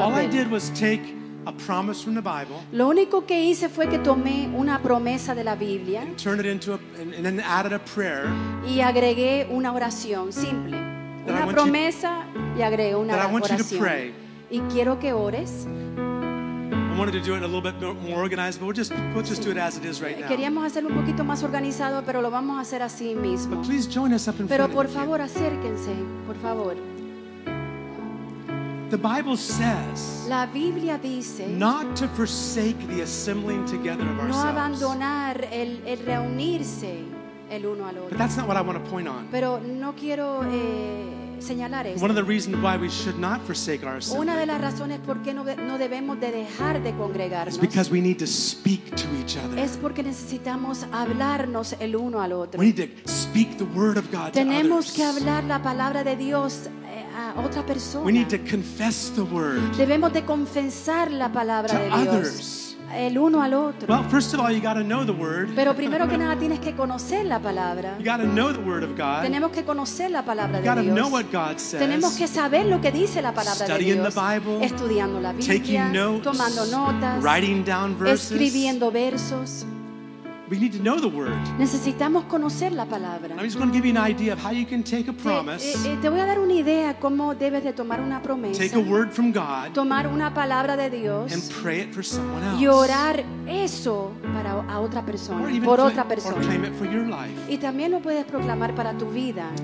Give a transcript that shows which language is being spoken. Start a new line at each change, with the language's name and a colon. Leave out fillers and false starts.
English: All I did was take a promise from the Bible.
Spanish: Lo único que hice fue que tomé una promesa de la Biblia.
English: And turned it into and then added a prayer.
Spanish: Y agregué una oración simple. Una promesa
English: you,
Spanish: y agregué una
English: that I want you to pray.
Spanish: Y quiero que ores.
English: I wanted to do it a little bit more organized, but we'll just do it as it is right now.
Spanish: Queríamos hacerlo un poquito más organizado, pero lo vamos a hacer así mismo.
English: But please join us up in front of you.
Spanish: Pero por favor, acérquense, por favor.
English: The Bible says,
Spanish: la Biblia dice,
English: not to forsake the assembling together of ourselves.
Spanish: No abandonar el reunirse el uno al otro.
English: But that's not what I want to point on.
Spanish: Pero no quiero señalar esto.
English: One of the reasons why we should not forsake our assembly.
Spanish: Una de las razones por qué no debemos de dejar de congregarnos.
English: Is because we need to speak to each other.
Spanish: Es porque necesitamos hablarnos el uno al otro.
English: We need to speak the word of God.
Spanish: Tenemos que hablar la palabra de Dios. Otra persona.
English: We need to confess the word.
Spanish: Debemos de confesar la palabra
English: to
Spanish: de Dios.
English: Others.
Spanish: El uno al otro.
English: Well, first of all, you got to know the word.
Spanish: Pero primero que nada tienes que conocer la palabra.
English: You got to know the word of God.
Spanish: Tenemos que conocer la palabra
English: you
Spanish: de Dios.
English: You got to know what God says.
Spanish: Tenemos que saber lo que dice la palabra
English: Studying
Spanish: de Dios.
English: The Bible,
Spanish: estudiando la Biblia.
English: Taking notes,
Spanish: tomando notas.
English: Writing down verses.
Spanish: Escribiendo versos.
English: We need to know the word.
Spanish: Necesitamos conocer la palabra.
English: I'm just going to give you an idea of how you can take a promise.
Spanish: Te voy a dar una idea cómo debes de tomar una promesa.
English: Take a word from God.
Spanish: Tomar una palabra de Dios.
English: And pray it for someone else.
Spanish: Y orar eso para a otra persona,
English: or even
Spanish: por
English: claim,
Spanish: otra persona.
English: Or claim it for your life.
Spanish: Y también lo puedes proclamar para tu vida.